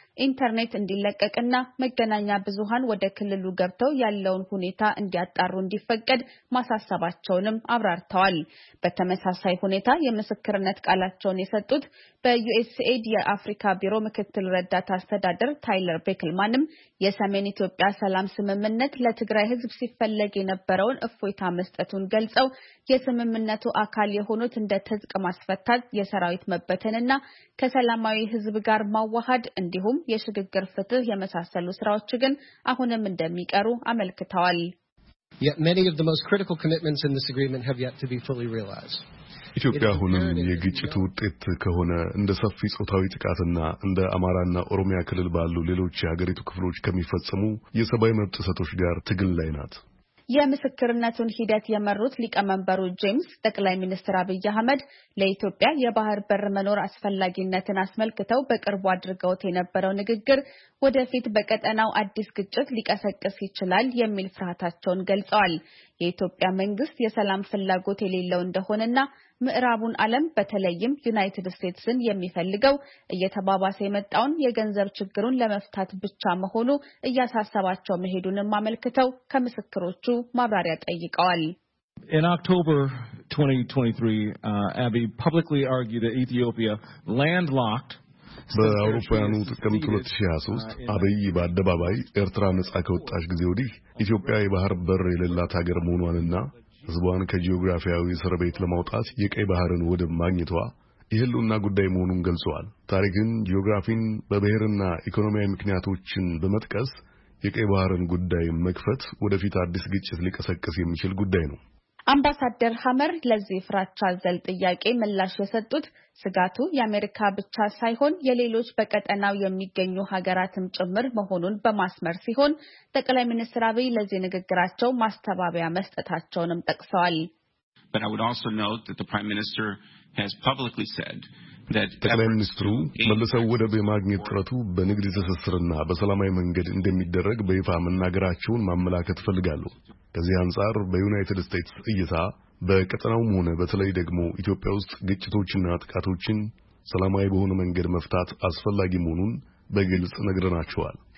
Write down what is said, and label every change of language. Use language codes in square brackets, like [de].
[am] ኢንተርኔት እንዲለቀቅና መገናኛ ብዙሃን ወደ ክልሉ ገብተው ያለውን ሁኔታ እንዲያጣሩ እንዲፈቀድ ማሳሰባቸውንም አብራርተዋል። በተመሳሳይ ሁኔታ የምስክርነት ቃላቸውን የሰጡት በዩኤስኤአይዲ የአፍሪካ ቢሮ ምክትል ረዳት አስተዳደር ታይለር ቤክልማንም የሰሜን ኢትዮጵያ ሰላም ስምምነት ለትግራይ ህዝብ ሲፈለግ የነበረውን እፎይታ መስጠቱን ገልጸው የስምምነቱ አካል የሆኑት እንደ ተዝቅ ማስፈታት፣ የሰራዊት መበተንና ከሰላማዊ ህዝብ ጋር ማዋሃድ እንዲሁም የሽግግር ፍትህ የመሳሰሉ ስራዎች ግን አሁንም እንደሚቀሩ አመልክተዋል። [en] Yet many of the most critical commitments in this agreement have yet to be fully realized. [am] ኢትዮጵያ ሆነም የግጭቱ ጥት ከሆነ እንደ ሰፊ ጾታዊ ጥቃትና እንደ አማራና ኦሮሚያ ክልል ባሉ ሌሎች የሀገሪቱ ክፍሎች ከመፈጸሙ የሰባይ መብት ጥሰቶች ጋር ትግል ላይ ናት። የምስክርነቱን ሂደት የመሩት ሊቀመንበሩ ጄምስ ጠቅላይ ሚኒስትር አብይ አህመድ ለኢትዮጵያ የባህር በር መኖር አስፈላጊነትን አስመልክተው በቅርቡ አድርገውት የነበረው ንግግር ወደፊት በቀጠናው አዲስ ግጭት ሊቀሰቅስ ይችላል የሚል ፍርሃታቸውን ገልጸዋል። የኢትዮጵያ መንግስት የሰላም ፍላጎት የሌለው እንደሆነና ምዕራቡን ዓለም በተለይም ዩናይትድ ስቴትስን የሚፈልገው እየተባባሰ የመጣውን የገንዘብ ችግሩን ለመፍታት ብቻ መሆኑ እያሳሰባቸው መሄዱንም አመልክተው ከምስክሮቹ ማብራሪያ ጠይቀዋል። [en] In October 2023, Abiy publicly argued that Ethiopia landlocked [am] በአውሮፓውያኑ ጥቅምት 2023 አብይ በአደባባይ ኤርትራ ነጻ ከወጣች ጊዜ ወዲህ ኢትዮጵያ የባህር በር የሌላት ሀገር መሆኗንና ህዝቧን ከጂኦግራፊያዊ እስር ቤት ለማውጣት የቀይ ባህርን ወደብ ማግኘቷ የህልውና ጉዳይ መሆኑን ገልጸዋል። ታሪክን፣ ጂኦግራፊን፣ በብሔርና ኢኮኖሚያዊ ምክንያቶችን በመጥቀስ የቀይ ባህርን ጉዳይ መክፈት ወደፊት አዲስ ግጭት ሊቀሰቅስ የሚችል ጉዳይ ነው። አምባሳደር ሐመር ለዚህ ፍራቻ ዘል ጥያቄ ምላሽ የሰጡት ስጋቱ የአሜሪካ ብቻ ሳይሆን የሌሎች በቀጠናው የሚገኙ ሀገራትም ጭምር መሆኑን በማስመር ሲሆን ጠቅላይ ሚኒስትር አብይ ለዚህ ንግግራቸው ማስተባበያ መስጠታቸውንም ጠቅሰዋል። [en] But I would also note that the Prime Minister has publicly said [am] ጠቅላይ ሚኒስትሩ መልሰው ወደብ የማግኘት ጥረቱ በንግድ ተሰስርና በሰላማዊ መንገድ እንደሚደረግ በይፋ መናገራቸውን ማመላከት ፈልጋለሁ። ከዚህ አንጻር በዩናይትድ ስቴትስ እይታ በቀጠናውም ሆነ በተለይ ደግሞ ኢትዮጵያ ውስጥ ግጭቶችና ጥቃቶችን ሰላማዊ በሆነ መንገድ መፍታት አስፈላጊ መሆኑን በግልጽ ነግረናቸዋል።